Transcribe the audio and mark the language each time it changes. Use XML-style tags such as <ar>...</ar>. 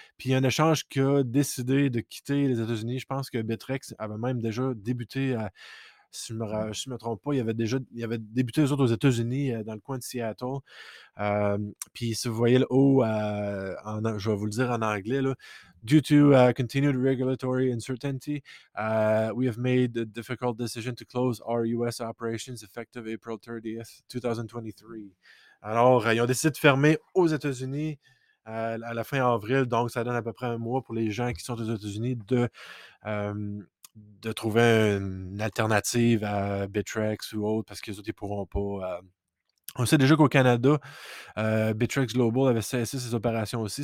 <fr>Puis il y a un échange qui a décidé de quitter les États-Unis. Je pense que Bittrex avait même déjà débuté à... Si je ne me trompe pas, il avait débuté eux autres aux États-Unis, dans le coin de Seattle. Puis si vous voyez le haut, je vais vous le dire en anglais, là.</fr> <en>Due to continued regulatory uncertainty, we have made the difficult decision to close our U.S. operations effective April 30th, 2023.</en> <fr>Alors, ils ont décidé de fermer aux États-Unis à la fin avril, donc ça donne à peu près un mois pour les gens qui sont aux États-Unis de trouver une alternative à Bittrex ou autre, parce qu'ils ne pourront pas. On sait déjà qu'au Canada, Bittrex Global avait cessé ses opérations aussi.</fr>